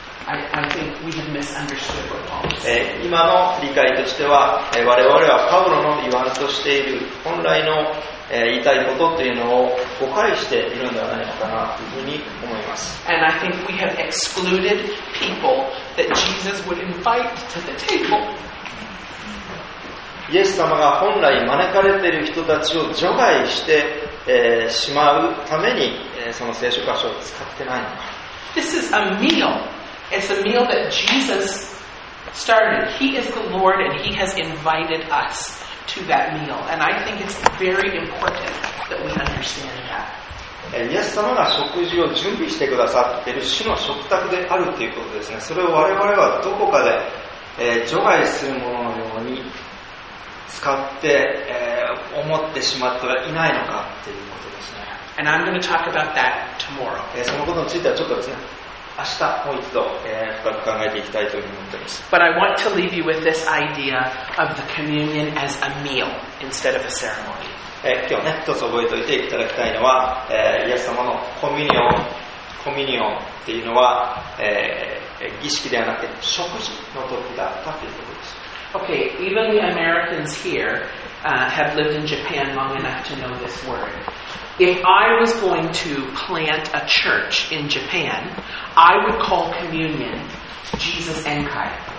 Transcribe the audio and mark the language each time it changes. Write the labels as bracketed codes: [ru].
[en] I think we have misunderstood what Paul is saying. [ja] 今の理解としては、我々はパウロの言わんとしている本来の、言いたいことというのを誤解しているのではないかなというふうに思います。 [en] And I think we have excluded people that Jesus would invite to the table. [ja] イエス様が本来招かれている人たちを除外して、しまうために、その聖書箇所を使ってないのか。 [en] This is a meal. It's a meal that Jesus started. He is the Lord and He has invited us to that meal. And I think it's very important that we understand that. [ja] イエス様が食事を準備してくださっている主の食卓であるということですね。それを我々はどこかで、除外するもののように使って、思ってしまってはいないのかっていうことですね。 [en] And I'm going to talk about that tomorrow. [ja] そのことについてはちょっとですね、明日もう一度、深く考えていきたいというふうに思っています。 [en] But I want to leave you with this idea of the communion as a meal instead of a ceremony. [ja] 今日ね、一つ覚えておいていただきたいのは、イエス様のコミュニオンっていうのは、儀式ではなくて食事の時だったということです。 [en] Okay, even the Americans here have lived in Japan long enough to know this word. If I was going to plant a church in Japan, I would call communion Jesus Enkai.